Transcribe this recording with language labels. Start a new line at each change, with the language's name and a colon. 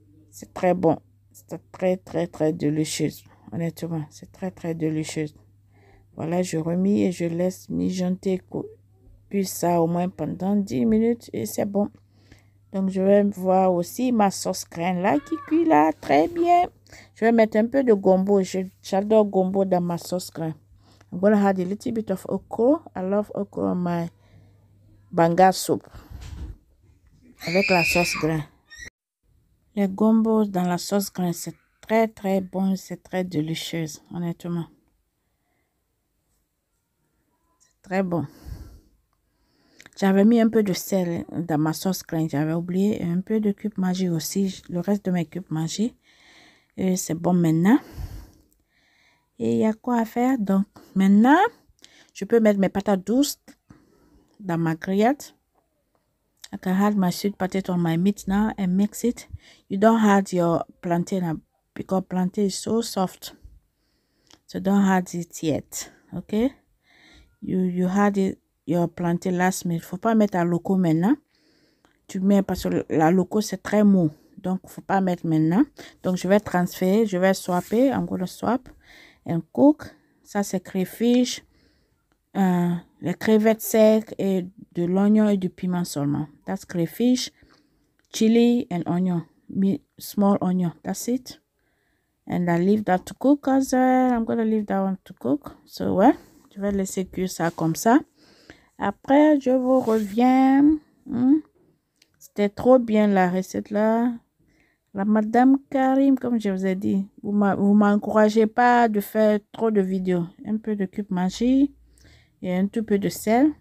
French: C'est très bon. C'est très, très, très délicieux. Honnêtement, c'est très, très délicieux. Voilà, je remis et je laisse mijoter. Puis ça au moins pendant 10 minutes et c'est bon. Donc je vais voir aussi ma sauce graine là qui cuit là très bien. Je vais mettre un peu de gombo. J'adore gombo dans ma sauce graine.
English: I'm going to add a little bit of okra. I love okra on my banga soup.
French: Avec la sauce graine. Le gombo dans la sauce graine, c'est très très bon. C'est très délicieux, honnêtement. C'est très bon. J'avais mis un peu de sel dans ma sauce graine. J'avais oublié un peu de cube magie aussi. Le reste de mes cubes magie. Et c'est bon maintenant. Et il y a quoi à faire? Donc maintenant, je peux mettre mes patates douces dans ma grillade.
English: I can add my sweet potato on my meat now and mix it. You don't add your plantain now because plantain is so soft. So don't add it yet. Okay? You add it. Your planté last minute.
French: Faut pas mettre à loco maintenant. Tu mets parce que la loco c'est très mou. Donc faut pas mettre maintenant. Donc je vais transférer, je vais swapper,
English: I'm going to swap and cook.
French: Ça c'est crayfish, les crevettes secs et de l'oignon et du piment seulement.
English: That's crayfish, chili and onion, small onion. That's it. And I leave that to cook as well. I'm going to leave that one to cook.
French: So ouais, je vais laisser cuire ça comme ça. Après, je vous reviens. C'était trop bien la recette là. La Madame Karim, comme je vous ai dit, vous m'encouragez pas de faire trop de vidéos. Un peu de cube magie et un tout peu de sel.